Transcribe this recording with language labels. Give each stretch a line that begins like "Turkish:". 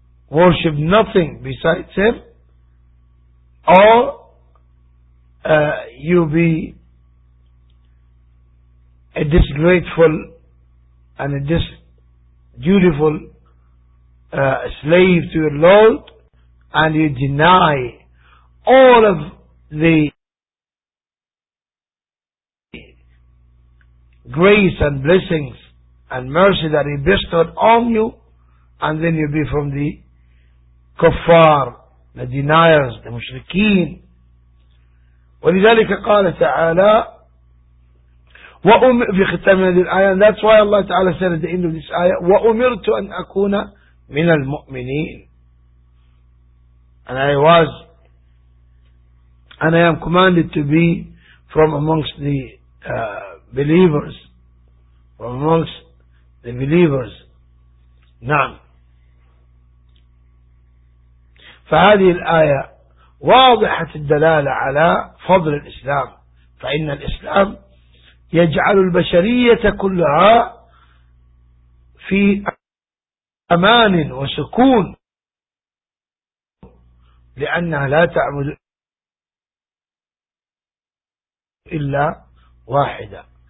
English: worship nothing besides Him, or you be a disgraceful and a disdutiful slave to your Lord, and you deny all of the grace and blessings and mercy that He bestowed on you, and then you be from the kuffar, the deniers, the mushrikeen.
Arabic: ولذلك قال تعالى في ختام هذه الآية.
English: That's why Allah تعالى said at the end of this ayah
Arabic: وأمرت أن أكون من المؤمنين.
English: And I was, and I am commanded to be from amongst the believers, from amongst the believers.
Arabic: نعم. فهذه الآية واضحة الدلالة على فضل الإسلام، فإن الإسلام يجعل البشرية كلها في أمان وسكون، لأنها لا تعبد إلا واحدة.